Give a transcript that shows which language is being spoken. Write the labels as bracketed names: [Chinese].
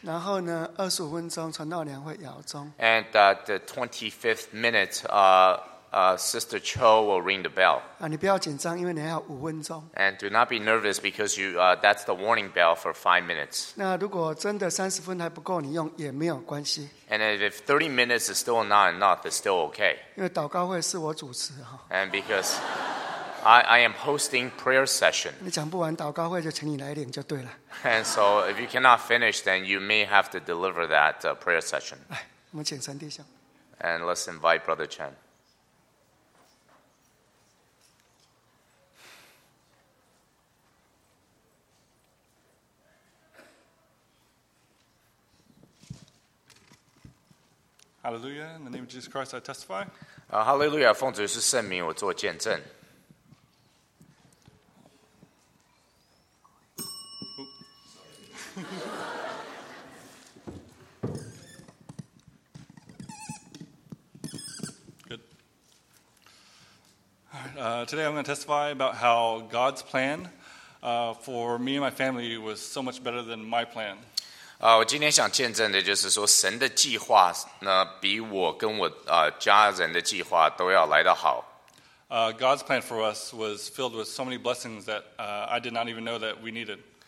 [Chinese] 然后呢, 25 分钟, 传道两会摇钟, [English] and the 25th minute, Sister Cho will ring the bell. [Chinese] 啊, 你不要紧张, 因为你还有5分钟。 [English] And do not be nervous because that's the warning bell for 5 minutes. [Chinese] 那如果真的30分还不够, 你用也没有关系。 [English] And if 30 minutes is still not enough, it's still okay. [Chinese] 因为祷告会是我主持, [English] and because I am hosting prayer session. [Chinese] 你讲不完祷告会就请你来领就对了。 [English] And so if you cannot finish, then you may have to deliver that prayer session. [Chinese] 来, 我们请陈弟兄。 [English] And let's invite Brother Chen. Hallelujah, in the name of Jesus Christ, I testify. [Chinese] Hallelujah, 奉主耶稣圣名, 我做见证。 [English] Good. Today I'm going to testify about how God's plan for me and my family was so much better than my plan. [Chinese] 我今天想见证的就是说神的计划呢比我跟我家人的计划都要来得好。 [English] God's plan for us was filled with so many blessings that I did not even know that we needed.